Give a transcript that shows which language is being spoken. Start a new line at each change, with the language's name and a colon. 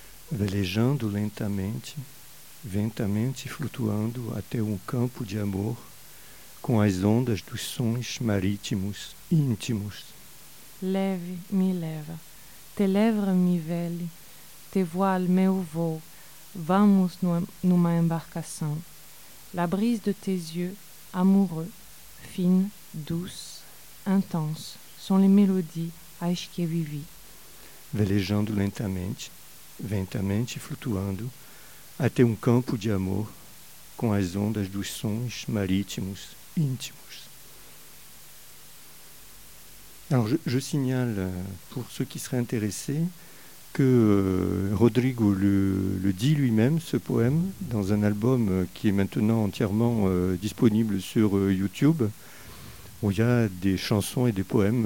Portuguese: Velejando lentamente, ventamente flutuando até um campo de amor com as ondas dos sons marítimos íntimos. Leve, me leva, te leva, me vele, te voile, meu voo, vamos numa embarcação.
French: La brise de tes yeux, amoureux, fine, douce, intense, sont les mélodies à
Portuguese: que vivi. Velejando lentamente, ventamente flutuando, até campo de amor, com as ondas dos sons marítimos íntimos.
French: Alors, je signale, pour ceux qui seraient intéressés, que Rodrigo le dit lui-même, ce poème, dans un album qui est maintenant entièrement disponible sur YouTube, où il y a des chansons et des poèmes.